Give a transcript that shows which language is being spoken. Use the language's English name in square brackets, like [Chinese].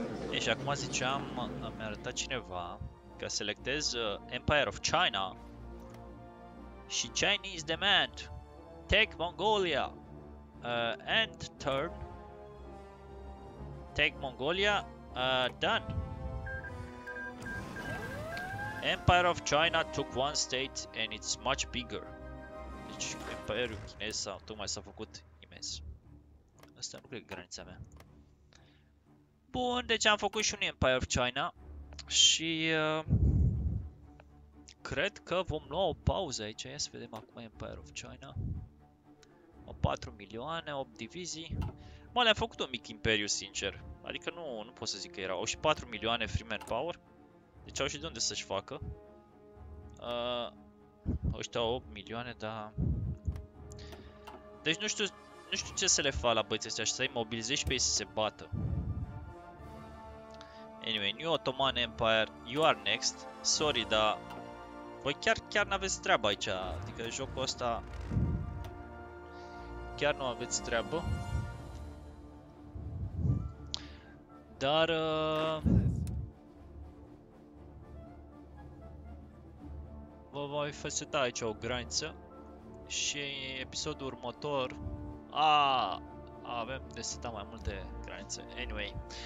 [Romanian] E, și acum ziceam, mi-a arătat cineva că selectez Empire of China și [English] Chinese demand, take Mongolia, and turn, take Mongolia, done. Empire of China took one state and it's much bigger. [Romanian] Deci Imperiul Chinez tocmai s-a făcut imens. Asta nu cred că e granița mea. Bun, deci am făcut și un Empire of China și cred că vom lua o pauză aici. Ia să vedem acum Empire of China. O 4 milioane, 8 divizii. Mă, le-am făcut un mic imperiu, sincer. Adică nu pot să zic că erau. Au și 4 milioane free manpower. Deci au și de unde să-și facă. Ăștia au 8 milioane, dar... Deci nu știu ce să le fac la băieții ăștia și să-i mobilizezi pe ei să se bată. [English] Anyway, New Ottoman Empire, you are next. Sorry, [Romanian] dar voi chiar n-aveți treabă aici. Adică jocul ăsta chiar nu aveți treabă. Dar vă voi faceta aici o graniță și episodul următor avem de setat mai multe granițe. [English] Anyway.